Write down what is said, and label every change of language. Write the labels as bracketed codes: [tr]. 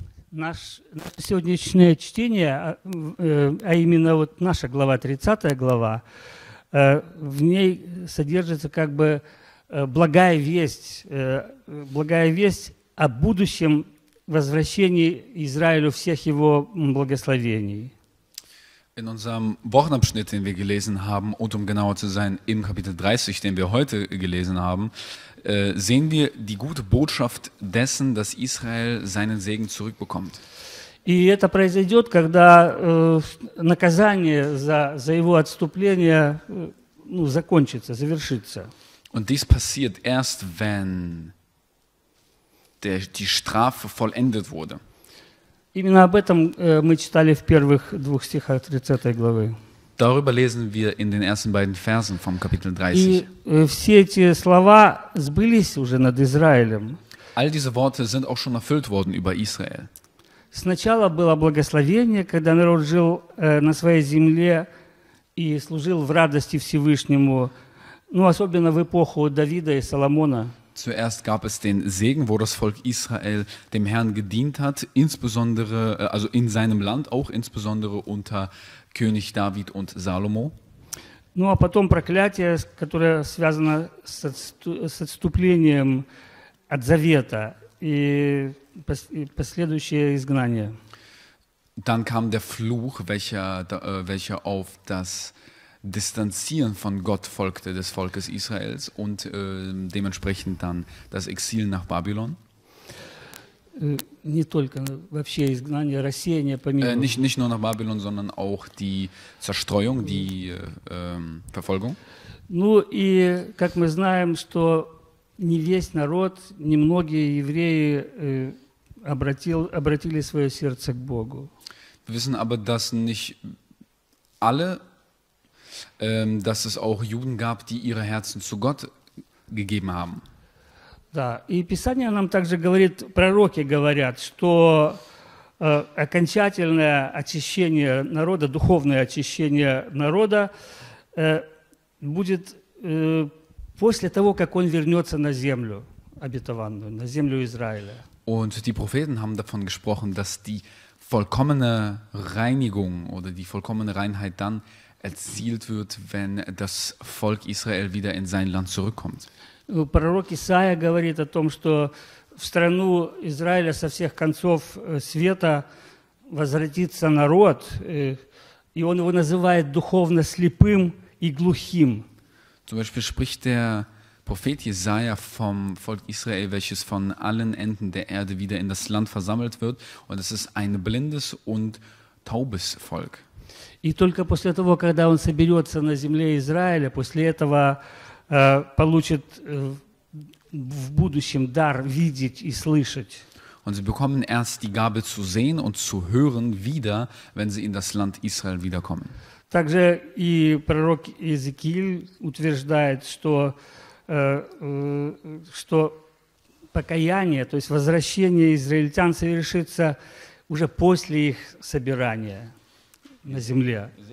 [ru] Наше сегодняшнее чтение, а именно вот наша глава, 30 глава, в ней содержится как бы благая весть о будущем возвращении Израилю всех его благословений. [de] In unserem Wochenabschnitt, den wir gelesen haben, und um genauer zu sein, im Kapitel 30, den wir heute gelesen haben, sehen wir die gute Botschaft dessen, dass Israel seinen Segen zurückbekommt. [ru] И это произойдет, когда наказание за его отступление закончится, завершится. [de] Und dies passiert erst, wenn die Strafe vollendet wurde. [ru] Именно об этом мы читали в первых двух стихах 30 главы. [de] Darüber lesen wir in den ersten beiden Versen vom Kapitel 30. [ru] И все эти слова сбылись уже над Израилем. [de] All diese Worte sind auch schon erfüllt worden über Israel. [ru] Сначала было благословение, когда народ жил на своей земле и служил в радости Всевышнему, особенно в эпоху Давида и Соломона. [de] Zuerst gab es den Segen, wo das Volk Israel dem Herrn gedient hat, insbesondere, also in seinem Land, auch insbesondere unter König David und Salomo. [ru] А потом проклятие, которое связано с отступлением от завета и последующее изгнание. [de] Dann kam der Fluch, welcher auf das Distanzieren von Gott folgte, des Volkes Israels, und dementsprechend dann das Exil nach Babylon. Nicht nur nach Babylon, sondern auch die Zerstreuung, die Verfolgung. [ru] Как мы знаем, что не весь народ, не многие евреи обратили свое сердце к Богу. [de] Wir wissen aber, dass nicht alle, dass es auch Juden gab, die ihre Herzen zu Gott gegeben haben. [ru] Да, и Писание нам также говорит, пророки говорят, что окончательное очищение народа, духовное очищение народа будет после того, как он вернется на землю обетованную, на землю Израиля. [de] Und die Propheten haben davon gesprochen, dass die vollkommene Reinigung oder die vollkommene Reinheit dann erzielt wird, wenn das Volk Israel wieder in sein Land zurückkommt. [ru] Пророк Исаия говорит о том, что в страну Израиля со всех концов света возвратится народ, и он его называет духовно слепым и глухим. [de] Zum Beispiel spricht der Prophet Jesaja vom Volk Israel, welches von allen Enden der Erde wieder in das Land versammelt wird, und es ist ein blindes und taubes Volk. [ru] И только после того, когда он соберется на земле Израиля, после этого получит в будущем дар видеть и слышать. [de] Und sie bekommen erst die Gabe zu sehen und zu hören wieder, wenn sie in das Land Israel wiederkommen. [ru] Также и пророк Иезекииль утверждает, что что покаяние, то есть возвращение израильтян совершится уже после их собирания на земле.